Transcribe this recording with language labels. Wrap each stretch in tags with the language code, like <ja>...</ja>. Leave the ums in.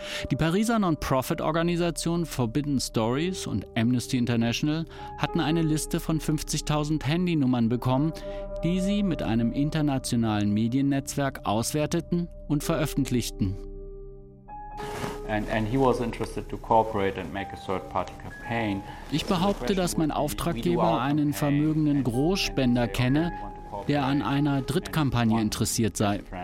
<de>Die Pariser Non-Profit-Organisation Forbidden Stories und Amnesty International hatten eine Liste von 50.000 Handynummern bekommen, die sie mit einem internationalen Mediennetzwerk auswerteten und veröffentlichten.</de> <en>And, and he was interested to cooperate and make third party company.</en> <de>Ich behaupte, dass mein Auftraggeber einen vermögenden Großspender kenne, der an einer Drittkampagne interessiert sei.</de>